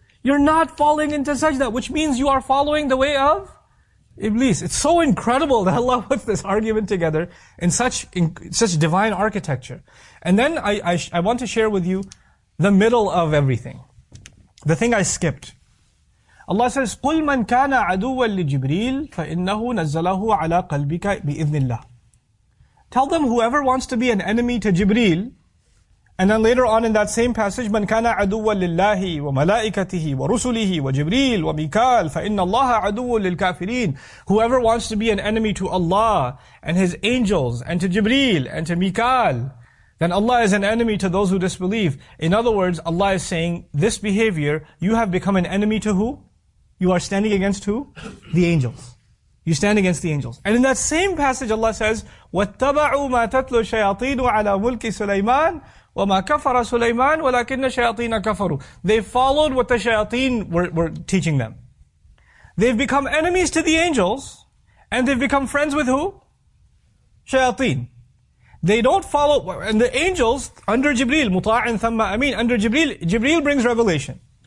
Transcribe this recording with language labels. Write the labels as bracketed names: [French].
[English] You're not falling into sajda, which means you are following the way of Iblis. It's so incredible that Allah puts this argument together in such divine architecture. And then I want to share with you the middle of everything. The thing I skipped. Allah says, [Arabic] قُلْ مَنْ كَانَ عَدُوًا لِجِبْرِيلِ فَإِنَّهُ نَزَّلَهُ عَلَىٰ قَلْبِكَ بِإِذْنِ اللَّهِ. [English] Tell them whoever wants to be an enemy to Jibreel, and then later on in that same passage, [Arabic] مَنْ كَانَ عَدُوًا لِلَّهِ وَمَلَائِكَتِهِ وَرُسُلِهِ وَجِبْرِيلِ وَمِكَالِ فَإِنَّ اللَّهَ عَدُوٌ لِلْكَافِرِينَ. [English] Whoever wants to be an enemy to Allah and His angels and to Jibreel and to Mikal, then Allah is an enemy to those who disbelieve. In other words, Allah is saying, this behavior, you have become an enemy to who? You are standing against who? The angels. You stand against the angels. And in that same passage, Allah says, [Arabic] وَاتَّبَعُوا مَا تَتْلُوا الشَّيَاطِينُ عَلَىٰ مُلْكِ سُلَيْمَانَ وَمَا كَفَرَ سُلَيْمَانَ وَلَكِنَّ الشَّيَاطِينَ كَفَرُوا. [English] They followed what the shayateen were teaching them. They've become enemies to the angels, and they've become friends with who? Shayateen. They don't follow, and the angels under Jibreel, [Arabic] muta'in thamma amin, [English] under Jibreel, Jibreel brings revelation.